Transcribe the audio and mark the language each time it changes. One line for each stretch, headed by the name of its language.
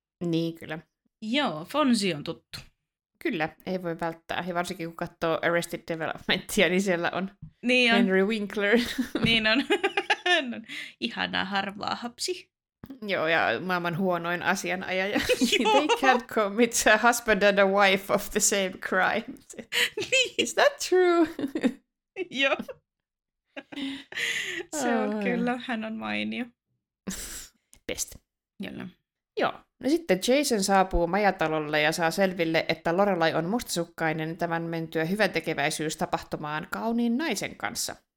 Finnish: Niin, kyllä. Joo, Fonzie on tuttu. Kyllä, ei voi välttää. Ja varsinkin kun katsoo Arrested Developmentia, niin siellä on, niin on. Henry Winkler. Niin on. Ihanaa harvaa hapsi. Joo, ja maailman huonoin asianajaja.
English: They can't commit a husband and a wife of the same crime. Is that true?
Finnish: Joo. Se on kyllä, hän on mainio.
English: Best.
Finnish: Jolla. Joo. No sitten Jason saapuu majatalolle ja saa selville, että Lorelai on mustasukkainen tämän mentyä hyväntekeväisyystapahtumaan kauniin naisen kanssa.